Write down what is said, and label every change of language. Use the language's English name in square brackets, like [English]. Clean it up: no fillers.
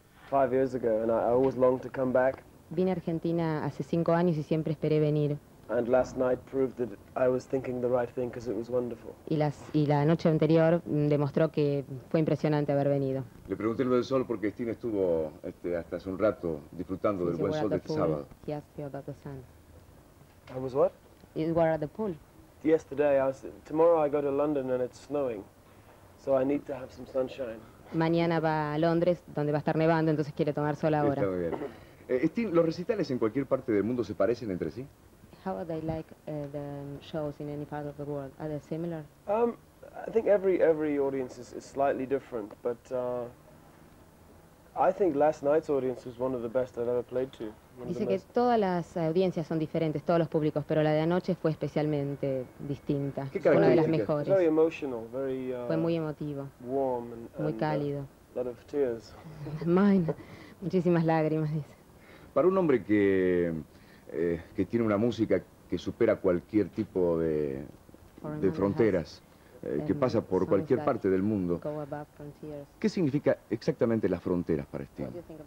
[English] 5 years ago, and I always longed to come back. [Spanish] Vine a Argentina hace 5 años y siempre esperé venir. [English] And last night proved that I was thinking the right thing because it was wonderful. [Spanish] Y la noche anterior demostró que fue impresionante haber venido. Le pregunté lo del sol porque Stine estuvo hasta hace un rato disfrutando del buen sol de este sábado. [English] He asked me about the sun. I was what? You were at the pool. Yesterday I was. Tomorrow I go to London and it's snowing, so I need to have some sunshine. [Spanish] Mañana va a Londres donde va a estar nevando, entonces quiere tomar sol ahora. Está muy bien. Stine, ¿los recitales en cualquier parte del mundo se parecen entre sí? [English] How are they like the shows in any part of the world? Are they similar? I think every audience is slightly different, but I think last night's audience was one of the best I've ever played to. [Spanish] Dice que todas las audiencias son diferentes, todos los públicos, pero la de anoche fue especialmente distinta. Fue una de las mejores. [English] Very emotional, very, [Spanish] fue muy emotivo. [English] Warm [Spanish] muy cálido. [English] A lot of tears. Mine. [Spanish] Muchísimas lágrimas, dice. Para un hombre que tiene una música que supera cualquier tipo de fronteras, que pasa por cualquier parte del mundo, ¿qué significa exactamente las fronteras para este hombre?